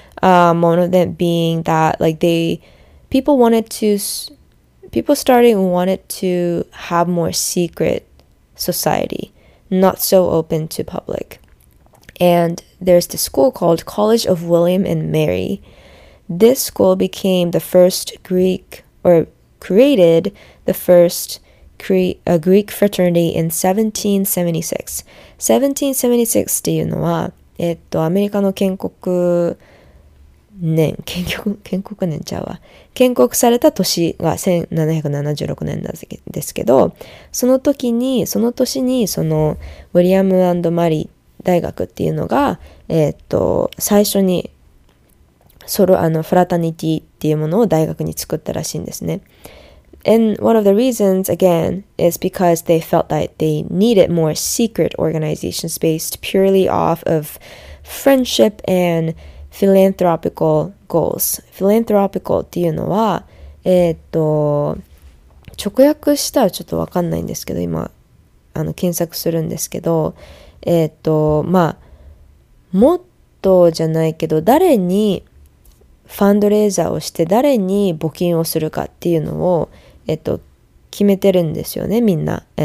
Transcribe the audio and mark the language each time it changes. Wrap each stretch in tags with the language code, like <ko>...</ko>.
<en>One of them being that, like, people started wanting to have more secret society, not so open to public. And there's this school called College of William and Mary. This school became the first Greek, or created the first a Greek fraternity in 1776.</en> <ja>1776 っていうのは、アメリカの建国年、建国年ちゃうわ。建国された年が1776年なんですけど、その年に、その、ウィリアム&マリー大学っていうのが、最初に、フラタニティっていうものを大学に作ったらしいんですね。</ja> <en>And one of the reasons, again, is because they felt that they needed more secret organizations based purely off of friendship and philanthropical goals.</en> <ja>Philanthropical っていうのは、直訳したらちょっとわかんないんですけど、今、検索するんですけど、まあ、もっとじゃないけど、誰にファンドレーザーをして、誰に募金をするかっていうのを、決めてるんですよね、みんな。</ja>